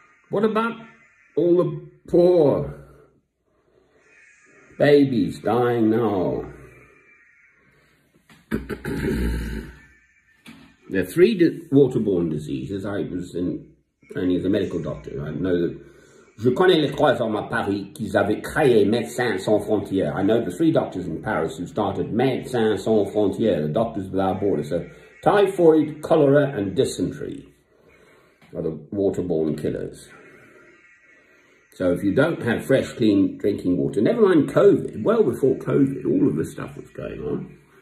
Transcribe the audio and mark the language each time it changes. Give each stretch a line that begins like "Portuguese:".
English: What about all the poor babies dying now? There are three waterborne diseases. I was in training as a medical doctor. I know that.
French: Je connais les trois hommes à Paris qui avaient créé Médecins Sans Frontières.
English: I know the three doctors in Paris who started Médecins Sans Frontières, the Doctors Without Borders. So typhoid, cholera, and dysentery are the waterborne killers. So if you don't have fresh, clean drinking water, never mind COVID, well before COVID, all of this stuff was going on.